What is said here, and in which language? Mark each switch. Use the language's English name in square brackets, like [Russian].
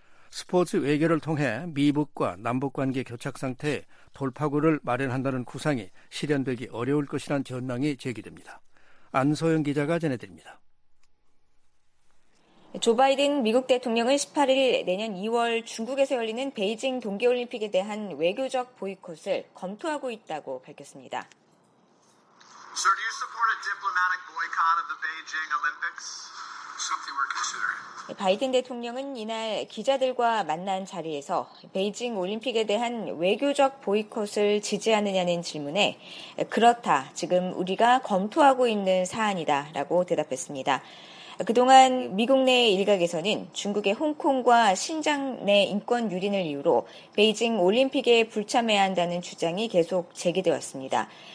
[Korean] 스포츠 외교를 통해 미북과 남북관계 교착상태에 돌파구를 마련한다는 구상이 실현되기 어려울 것이란 전망이 제기됩니다. 안소영 기자가 전해드립니다. 조 바이든 미국 대통령은 18일 내년 2월 중국에서 열리는 베이징 동계올림픽에 대한 외교적 보이콧을 검토하고 있다고 밝혔습니다. [English] Sir, do you support a diplomatic boycott of the Beijing Olympics? Something we're considering. [Korean] 바이든 대통령은 이날 기자들과 만난 자리에서 베이징 올림픽에 대한 외교적 보이콧을 지지하느냐는 질문에 그렇다, 지금 우리가 검토하고 있는 사안이다 라고 대답했습니다. 그동안 미국 내 일각에서는 중국의 홍콩과 신장 내 인권 유린을 이유로 베이징 올림픽에 불참해야 한다는 주장이 계속 제기되었습니다.